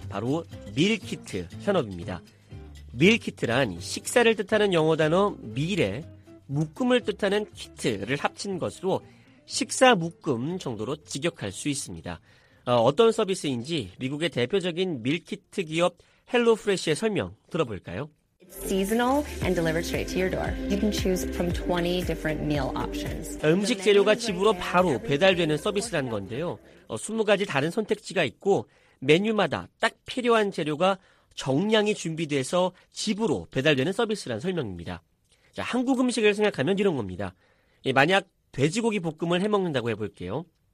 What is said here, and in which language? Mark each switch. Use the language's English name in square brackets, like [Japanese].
[Korean] 바로 밀키트 산업입니다. 밀키트란 식사를 뜻하는 영어 단어 밀에 묶음을 뜻하는 키트를 합친 것으로 식사 묶음 정도로 직역할 수 있습니다. 어떤 서비스인지 미국의 대표적인 밀키트 기업 헬로프레시의 설명 들어볼까요? [English] Seasonal and delivered straight to your door. You can choose from 20 different meal options. [Korean] 음식 재료가 집으로 바로 배달되는 서비스란 건데요. 20가지 다른 선택지가 있고 메뉴마다 딱 필요한 재료가 정량이 준비돼서 집으로 배달되는 서비스란 설명입니다. 자, 한국 음식을 생각하면 이런 겁니다. 만약 돼지고기 볶음을 해 먹는다고 해볼게요.